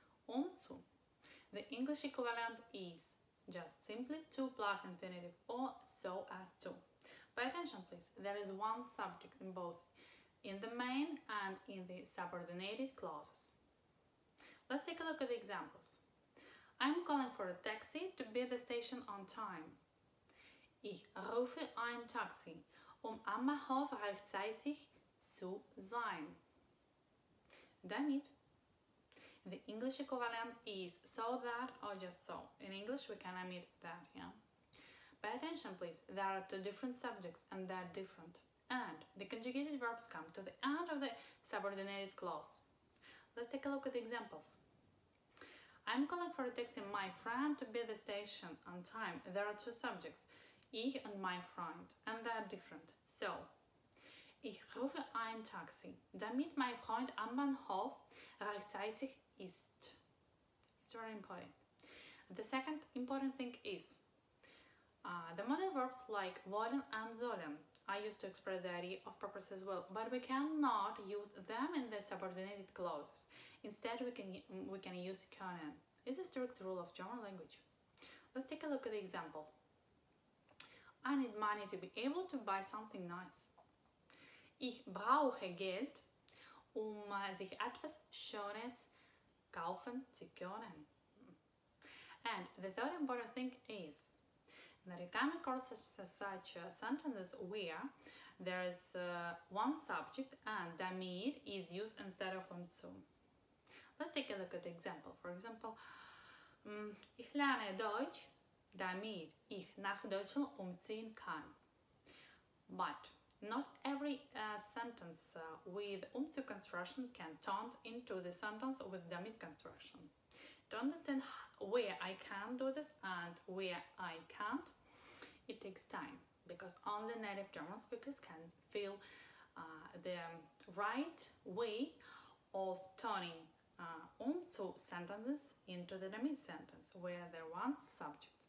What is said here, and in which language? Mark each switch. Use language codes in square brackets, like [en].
[en] Umzu, the English equivalent is just simply to plus infinitive or so as to. Pay attention please, there is one subject in both in the main and in the subordinated clauses. Let's take a look at the examples. I'm calling for a taxi to be at the station on time. [de] Ich rufe ein Taxi, am Bahnhof rechtzeitig zu sein. Damit. [en] The English equivalent is so that or just so. In English, we can omit that, yeah? Pay attention, please. There are two different subjects and they're different. And the conjugated verbs come to the end of the subordinated clause. Let's take a look at the examples. I'm calling for a taxi my friend to be at the station on time. There are two subjects, ich and my friend, and they are different. [de] So, ich rufe ein Taxi, damit mein Freund am Bahnhof rechtzeitig ist. [en] It's very important. The second important thing is, the modal verbs like wollen and sollen, I used to express the idea of purpose as well, but we cannot use them in the subordinated clauses. Instead, we can use können. It's a strict rule of German language. Let's take a look at the example. I need money to be able to buy something nice. [de] Ich brauche Geld, sich etwas Schönes kaufen zu können. [en] And the third important thing is, that you come across such sentences where there is one subject and damit is used instead of umzu. Let's take a look at the example. For example, [de] ich lerne Deutsch, damit ich nach Deutschland umziehen kann. [en] But not every sentence with umzu construction can turn into the sentence with damit construction. To understand where I can do this and where I can't, it takes time, because only native German speakers can feel the right way of turning umzu sentences into the damit sentence, where they're one subject.